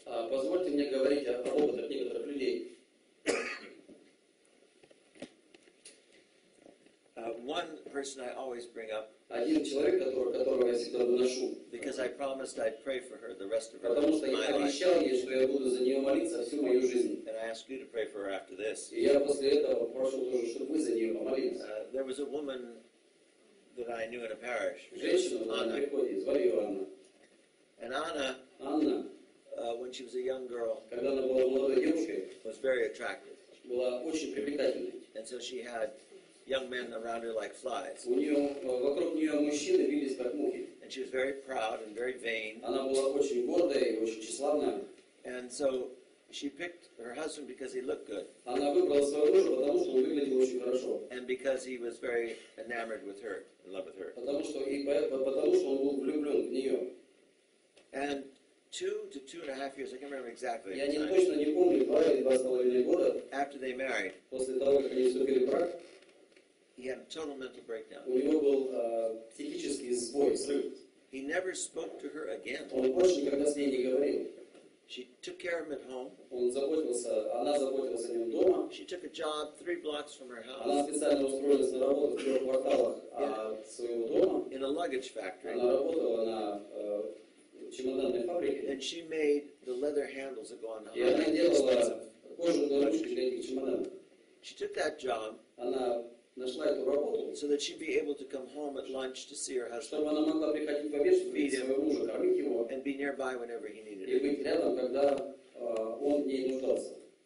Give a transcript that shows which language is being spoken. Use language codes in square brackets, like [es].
[ru] Позвольте мне говорить о опыте некоторых людей. [en] One person I always bring up. [ru] Один человек, которого я всегда выношу. [en] Because I promised I'd pray for her the rest of her life. [ru] Потому что я обещал ей, что я буду за нее молиться всю мою жизнь. [en] And I ask you to pray for her after this. [ru] И я после этого прошу тоже, чтобы вы за нее помолились. [en] There was a woman that I knew in a parish. [ru] Женщина, она приходит, звали ее Анна. [en] And Anna. [ru] Анна. [en] When she was a young girl. [ru] Когда она была молодой девушкой. [en] Was very attractive. [ru] Была очень привлекательной. [en] And so she had young men around her like flies. [ru] У нее вокруг нее мужчины вились как мухи. [en] And she was very proud and very vain. [ru] Она была очень гордая и очень тщеславная. [en] And so she picked her husband because he looked good. [ru] Она выбрала своего мужа, потому что он выглядел очень хорошо. [en] And because he was very enamored with her, in love with her. [ru] Потому что он был влюблен в нее. [en] And 2 to 2.5 years, I can't remember exactly. [ru] Я не точно не помню, 2 или 2.5 года. [en] After they married. [ru] После того, как они вступили в брак. [en] He had a total mental breakdown. [ru] У него был психический сбой, срыв. [en] He never spoke to her again. [ru] Он больше никогда с ней не говорил. [en] She took care of him at home. [ru] Он заботился, она заботилась о нем дома. [en] She took a job 3 blocks from her house. [ru] Она специально устроилась на работу в 3 кварталах от своего дома. [en] In a luggage factory. [ru] Она работала на чемоданной фабрике. [en] And she made the leather handles that go on. [ru] И она делала кожаные ручки для этих чемоданов. [en] She took that job. [ru] Она нашла эту работу, [en] so that she'd be able to come home at lunch to see her husband, [ru] чтобы она могла приходить в обед, [en] feed him, [ru] своего мужа, кормить его, [en] and be nearby whenever he needed [ru] и быть [en] it. [ru] Рядом, когда он в ней нуждался.